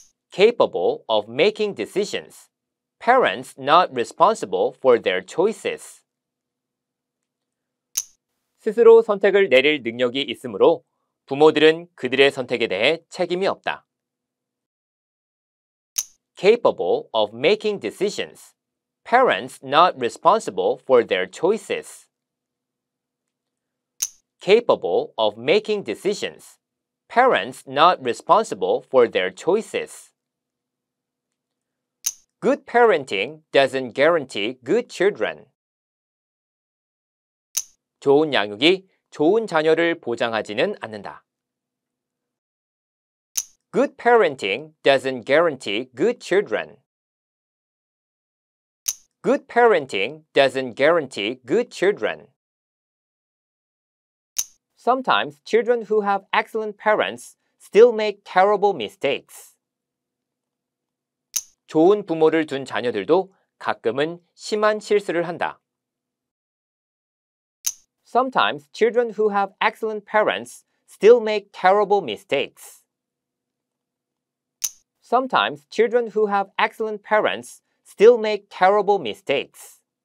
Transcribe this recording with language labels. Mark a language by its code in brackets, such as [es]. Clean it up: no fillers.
[en] Capable of making decisions. Parents not responsible for their choices. [ko] 스스로 선택을 내릴 능력이 있으므로 부모들은 그들의 선택에 대해 책임이 없다. [en] Capable of making decisions. Parents not responsible for their choices. Capable of making decisions. Parents not responsible for their choices. Good parenting doesn't guarantee good children. [ko] 좋은 양육이 좋은 자녀를 보장하지는 않는다. [en] Good parenting doesn't guarantee good children. Good parenting doesn't guarantee good children. Sometimes children who have excellent parents still make terrible mistakes. [ko] 좋은 부모를 둔 자녀들도 가끔은 심한 실수를 한다. [en] Sometimes children who have excellent parents still make terrible mistakes. Sometimes children who have excellent parents still make terrible mistakes.